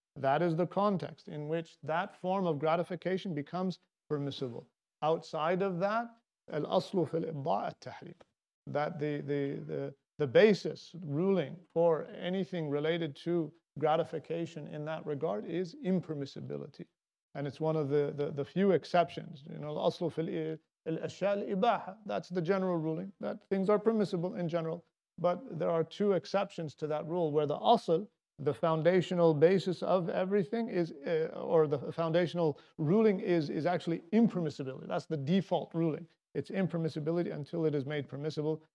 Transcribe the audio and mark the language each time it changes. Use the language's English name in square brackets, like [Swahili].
[English] That is the context in which that form of gratification becomes permissible. Outside of that, al-aslu fil ibda' at-tahrim, that the basis ruling for anything related to gratification in that regard is impermissibility. And it's one of the few exceptions. You know, [Arabic] الأصل في الأشياء الإباحة. [English] That's the general ruling, that things are permissible in general. But there are two exceptions to that rule, where the أصل, the foundational basis of everything is, or the foundational ruling is actually impermissibility. That's the default ruling. It's impermissibility until it is made permissible.